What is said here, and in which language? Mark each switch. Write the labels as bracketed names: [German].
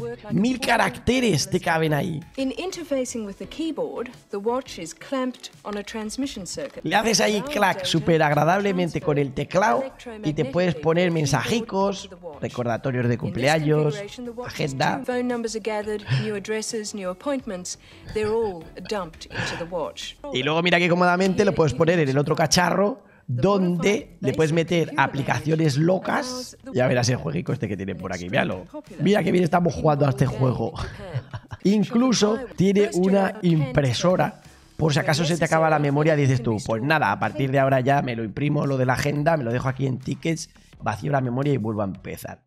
[Spanish] 1000 caracteres te caben ahí. [English] In interfacing with the keyboard, the watch is clamped on a transmission circuit. [Spanish] Le haces ahí clack súper agradablemente con el teclado y te puedes poner mensajicos, recordatorios de cumpleaños, agenda. [English] Phone numbers are gathered, new addresses, new appointments, they're all dumped into the watch. [Spanish] Y luego mira que cómodamente lo puedes poner en el otro cacharro, donde le puedes meter aplicaciones locas. Ya verás el jueguito este que tiene por aquí, míralo. Mira que bien estamos jugando a este juego. Incluso tiene una impresora, por si acaso se te acaba la memoria, dices tú, pues nada, a partir de ahora ya me lo imprimo, lo de la agenda, me lo dejo aquí en tickets, vacío la memoria y vuelvo a empezar.